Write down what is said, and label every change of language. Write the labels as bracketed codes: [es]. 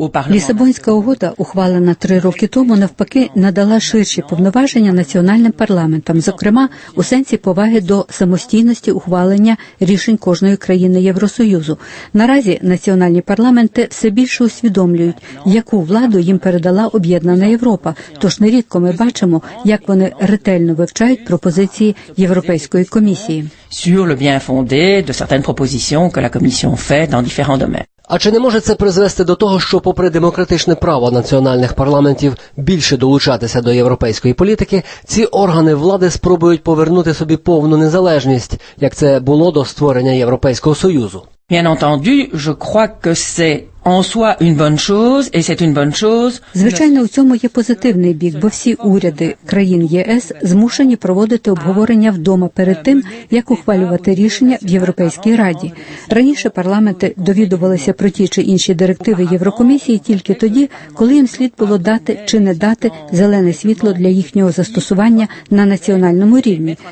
[uk] Лісабонська угода, ухвалена 3 роки тому, навпаки, надала ширші повноваження національним парламентам, зокрема, у сенсі поваги до самостійності ухвалення рішень кожної країни Євросоюзу. Наразі національні парламенти все більше усвідомлюють, яку владу їм передала об'єднана Європа, тож нерідко ми бачимо, як вони ретельно вивчають пропозиції Європейської комісії. [fr] Sur le bien fondé de certaines propositions que la Commission fait dans différents domaines. [uk] А чи не може це призвести до того, що попри демократичне право національних парламентів більше долучатися до європейської політики, ці органи влади спробують повернути собі повну незалежність, як це було до створення Європейського Союзу? [fr] Bien entendu, je crois que c'est en soi une bonne chose et c'est une bonne chose. [uk] Звичайно, у цьому є позитивний бік, бо всі уряди країн ЄС змушені проводити обговорення вдома перед тим, як ухвалювати рішення в Європейській Раді. Раніше парламенти довідувалися про ті чи інші директиви Єврокомісії тільки тоді, коли їм слід було дати чи не дати зелене світло для їхнього застосування на національному рівні.